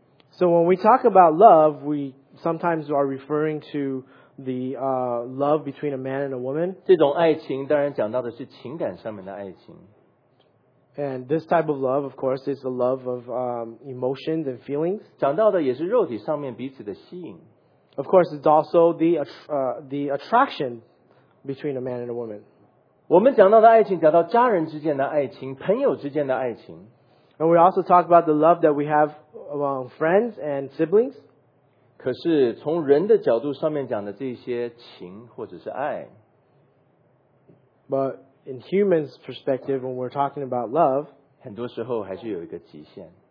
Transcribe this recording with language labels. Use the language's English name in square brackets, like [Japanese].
[English] So when we talk about love, we sometimes are referring to the love between a man and a woman. [Chinese] 这种爱情当然讲到的是情感上面的爱情。 [English] And this type of love, of course, is the love of emotions and feelings. [Chinese] 讲到的也是肉体上面彼此的吸引。 [English] Of course, it's also the attraction between a man and a woman. [Chinese] 我们讲到的爱情，讲到家人之间的爱情，朋友之间的爱情。 [English] And we also talk about the love that we have among friends and siblings. [Chinese] 可是从人的角度上面讲的这些情或者是爱。 [English] But in human's perspective, when we're talking about love, [Chinese] 很多时候还是有一个极限。